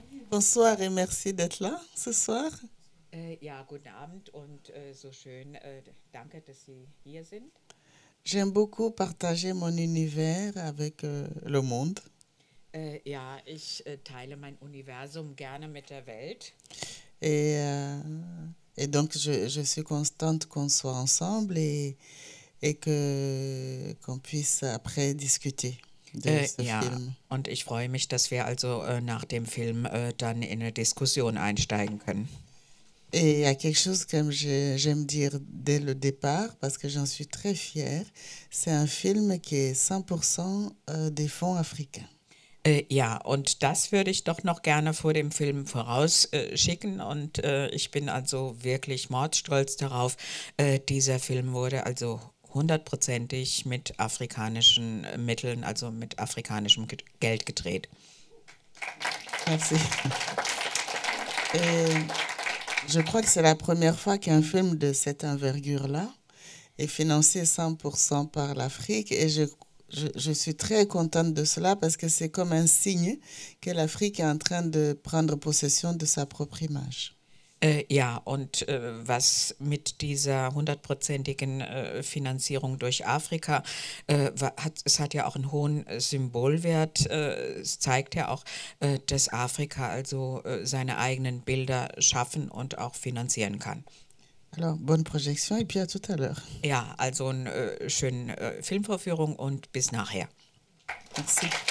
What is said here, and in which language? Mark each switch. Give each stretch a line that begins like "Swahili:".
French: Bonsoir et merci d'être là ce soir.
German: Ja, guten Abend und so schön, danke, dass Sie hier sind.
French: J'aime beaucoup partager mon univers avec le monde.
German: Ja, ich teile mein Universum gerne mit der Welt.
French: Et donc je suis contente qu'on soit ensemble et que qu'on puisse après discuter.
German: Ja, und ich freue mich, dass wir also nach dem Film dann in eine Diskussion einsteigen können.
French: Et il y a quelque chose que j'aime dire dès le départ, parce que j'en suis très fière, c'est un film qui est 100% des fonds africains.
German: Ja, und das würde ich doch noch gerne vor dem Film vorausschicken und ich bin also wirklich mordstolz darauf, dieser Film wurde also 100%ig mit afrikanischen Mitteln, also mit afrikanischem Geld gedreht.
French: Merci. Je crois que c'est la première fois qu'un film de cette envergure-là est financé 100% par l'Afrique et je suis très contente de cela parce que c'est comme un signe que l'Afrique est en train de prendre possession de sa propre image.
German: Ja, und was mit dieser 100%igen Finanzierung durch Afrika, es hat ja auch einen hohen Symbolwert, es zeigt ja auch, dass Afrika also seine eigenen Bilder schaffen und auch finanzieren kann.
French: Alors, bonne projection et puis à tout à l'heure.
German: Ja, also eine schöne Filmvorführung und bis nachher.
French: Merci.